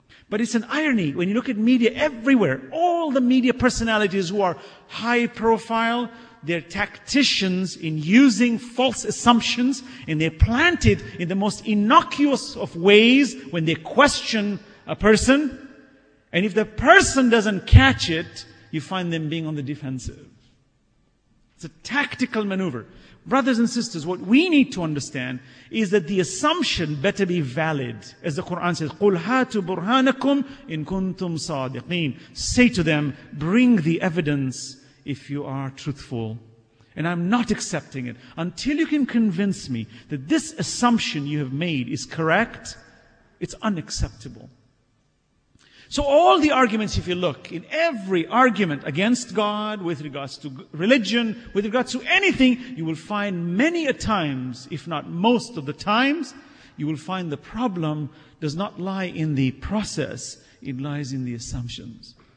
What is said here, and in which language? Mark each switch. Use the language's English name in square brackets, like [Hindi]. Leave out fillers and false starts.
[English] But it's an irony when you look at media everywhere, all the media personalities who are high profile, they're tacticians in using false assumptions and they're planted in the most innocuous of ways when they question a person. And if the person doesn't catch it, you find them being on the defensive. It's a tactical maneuver. Brothers and sisters, what we need to understand is that the assumption better be valid. As the Quran says, [Arabic] قُلْ هَاتُوا بُرْهَانَكُمْ إِن كُنْتُمْ صَادِقِينَ. [English] Say to them, bring the evidence if you are truthful. And I'm not accepting it. Until you can convince me that this assumption you have made is correct, it's unacceptable. So all the arguments, if you look, in every argument against God, with regards to religion, with regards to anything, you will find many a times, if not most of the times, you will find the problem does not lie in the process, it lies in the assumptions.